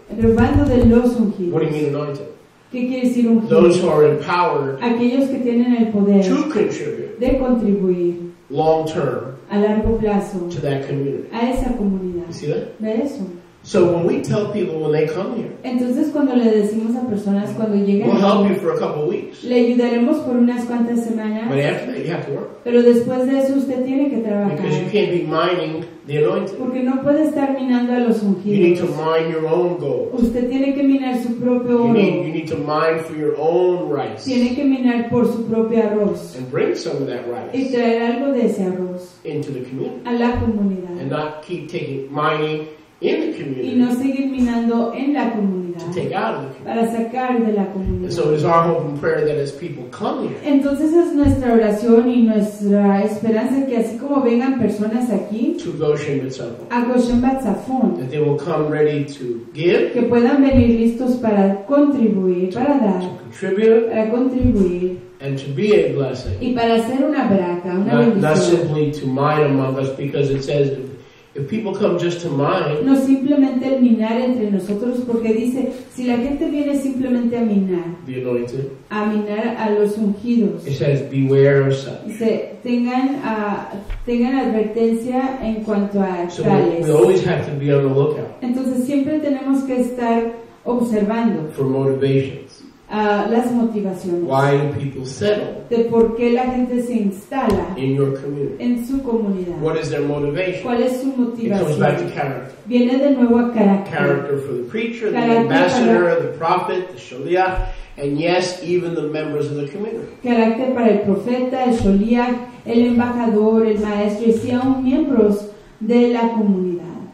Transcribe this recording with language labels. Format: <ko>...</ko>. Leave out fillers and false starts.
<es>Robando de los ungidos.</es> <en>What do you mean anointed?</en> <es>¿Qué quiere decir ungido?</es> <en>Those who are empowered.</en> <es>Aquellos que tienen el poder.</es> <en>To contribute.</en> <es>De contribuir.</es> <en>Long term.</en> <es>A largo plazo.</es> <en>To that community.</en> <es>A esa comunidad.</es> <en>You see that?</en> <es>De eso.</es> <en>So when we tell people when they come here.</en> <es>Entonces cuando le decimos a personas cuando lleguen.</es> <en>We'll help you for a couple of weeks.</en> <es>Le ayudaremos por unas cuantas semanas.</es> <en>But after that you have to work.</en> <es>Pero después de eso usted tiene que trabajar.</es> <en>Because you can't be mining the anointed.</en> <es>Porque no puede estar minando a los ungidos.</es> <en>You need to mine your own gold.</en> <es>Usted tiene que minar su propio oro.</es> <en>You need to mine for your own rice.</en> <es>Tiene que minar por su propio arroz.</es> <en>And bring some of that rice.</en> <es>Y traer algo de ese arroz.</es> <en>Into the community.</en> <es>A la comunidad.</es> <en>And not keep taking mining. in the community</en> <es>y no seguir minando en la comunidad,</es> <en>to take out of the community.</en> <es>Para sacar de la comunidad.</es> <en>And so it is our hope and prayer that as people come here,</en> <es>entonces es nuestra oración y nuestra esperanza que así como vengan personas aquí,</es> <en>to Goshen Batzafon,</en> <es>a Goshen Batzafon,</es> <en>that they will come ready to give,</en> <es>que puedan venir listos para contribuir,</es> <en>to,</en> <es>para dar,</es> <en>to contribute,</en> <es>para contribuir,</es> <en>and to be a blessing.</en> <es>Y para ser una braca, una</es> <en>not,</en> <es>bendición.</es> <en>Not simply to mine among us, because it says if people come just to mine,</en> <es>no simplemente el minar entre nosotros, porque dice si la gente viene simplemente a minar,</es> <en>the anointed,</en> <es>a minar a los ungidos,</es> <en>it says beware of such.</en> <es>Dice tengan tengan advertencia en cuanto a so tales.</es> <en>We always have to be on the lookout.</en> <es>Entonces siempre tenemos que estar observando</es> <en>for motivation.</en> <es>Las motivaciones.</es> <en>Why do people settle?</en> <es>De por qué la gente se instala</es> <en>in your community.</en> <es>En su comunidad.</es> <en>What is their motivation?</en> <es>¿Cuál es su motivación?</es> <en>It comes back to character.</en> <es>Viene de nuevo a carácter.</es> <en>Character for the preacher, carácter the ambassador, para... the prophet, the shaliach, and yes, even the members of the community.</en> <es>Carácter para el profeta, el shaliach, el embajador, el maestro, y sí, aún miembros de la comunidad.</es>